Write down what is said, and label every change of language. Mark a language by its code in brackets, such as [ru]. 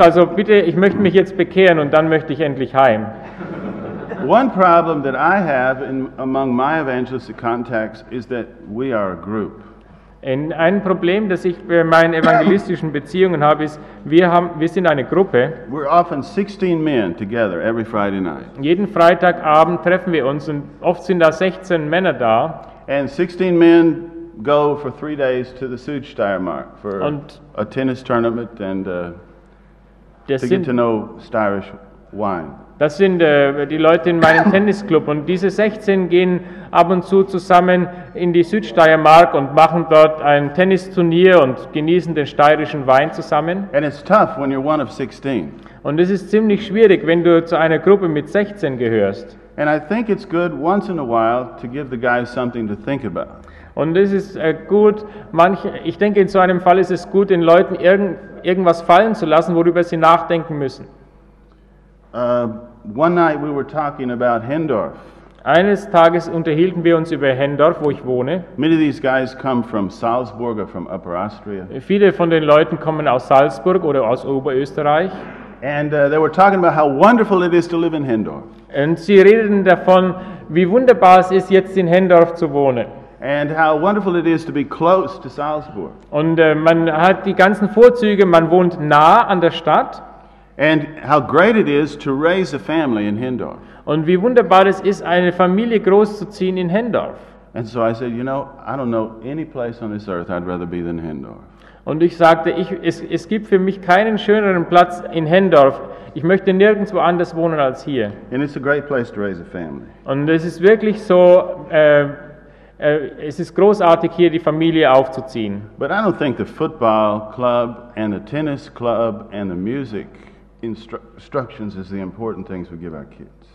[de] Also bitte, ich möchte mich jetzt bekehren, und dann möchte ich endlich heim. [en] One problem that I have in among my evangelistic contacts is that we are a group. [de] In ein Problem, das ich bei meinen evangelistischen Beziehungen habe, ist wir sind eine Gruppe. [en] We're often 16 men together every Friday night. [de] Jeden Freitagabend treffen wir uns und oft sind da 16 Männer da. [en] And 16 men go for 3 days to the Südsteiermark for a tennis tournament and to get to know Steirish wine. [de] Das sind die Leute in meinem Tennisclub und diese 16 gehen ab und zu zusammen in die Südsteiermark und machen dort ein Tennisturnier und genießen den steirischen Wein zusammen. [en] And it's tough when you're one of 16. [de] Und es ist ziemlich schwierig, wenn du zu einer Gruppe mit 16 gehörst. [en] And I think it's good once in a while to give the guys something to think about. [de] Und es ist gut, ich denke, in so einem Fall ist es gut, den Leuten irgendwas fallen zu lassen, worüber sie nachdenken müssen. [en] One night we were talking about Hendorf. [de] Eines Tages unterhielten wir uns über Hendorf, wo ich wohne. [en] Many of these guys come from Salzburg or from Upper Austria. [de] Viele von den Leuten kommen aus Salzburg oder aus Oberösterreich. [en] And they were talking about how wonderful it is to live in Hendorf. [de] Und sie reden davon, wie wunderbar es ist, jetzt in Hendorf zu wohnen. [en] And how wonderful it is to be close to Salzburg. [de] Und man hat die ganzen Vorzüge, man wohnt nah an der Stadt. [en] And how great it is to raise a family in Hendorf. [de] Und wie wunderbar es ist, eine Familie großzuziehen in Hendorf. [en] And so I said, you know, I don't know any place on this earth I'd rather be than Hendorf. [de] Und ich sagte, es gibt für mich keinen schöneren Platz in Hendorf. Ich möchte nirgendwo anders wohnen als hier. [en] And it's a great place to raise a family. [de] Und es ist wirklich so, es ist großartig, hier die Familie aufzuziehen. [en] But I don't think the football club and the tennis club and the music instructions is the important things we give our kids.